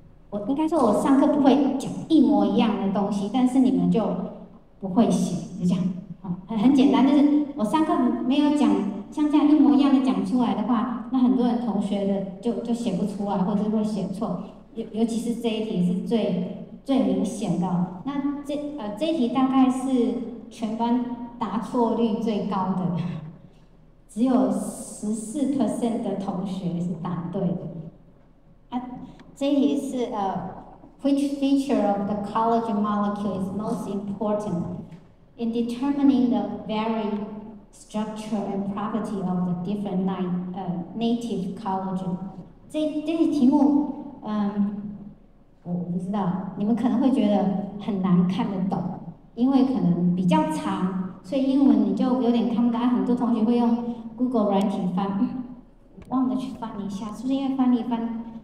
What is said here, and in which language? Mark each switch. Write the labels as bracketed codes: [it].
[zh] 我应该说，我上课不会讲一模一样的东西，但是你们就不会写，就这样，很简单，就是我上课没有讲像这样一模一样的讲出来的话，那很多人同学的就写不出来，或者会写错，尤其是这一题是最明显的。那这一题大概是全班答错率最高的，只有14% 的同学是答对的。这一题是 [en] which feature of the collagen molecule is most important in determining the varied structure and property of the different native collagen？ [zh] 这一题目，我不知道，你们可能会觉得很难看得懂，因为可能比较长，所以英文你就有点看不懂。很多同学会用 Google 软体翻，忘了去翻一下，是不是因为翻译翻？